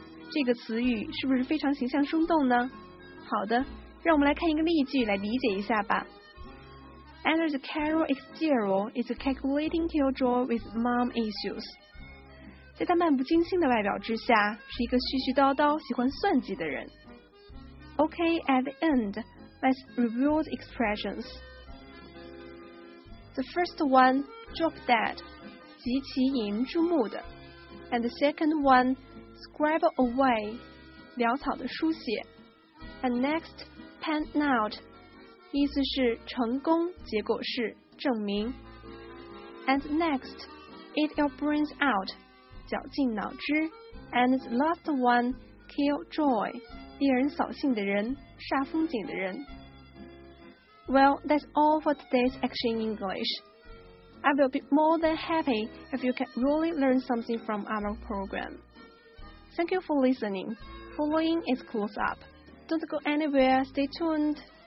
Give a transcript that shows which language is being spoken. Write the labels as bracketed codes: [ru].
[zh] 这个词语是不是非常形象生动呢？好的，让我们来看一个例句来理解一下吧。 [en] Under the Carol exterior is a calculating killjoy with mom issues。 [zh] 在他漫不经心的外表之下，是一个絮絮叨叨、喜欢算计的人。 [en] Okay, at the end, let's review the expressions. The first one, drop dead, [zh] 极其引人注目的。 [en] And the second one, scribble away, [zh] 潦草的书写。 [en] And next, pan out, [zh] 意思是成功，结果是证明。 [en] And next, eat your brains out, [zh] 绞尽脑汁。 [en] And the last one, kill joy. [zh] 令人扫兴的人，煞风景的人。 [en] Well, that's all for today's Action English. I will be more than happy if you can really learn something from our program. Thank you for listening. Following is close up. Don't go anywhere, stay tuned.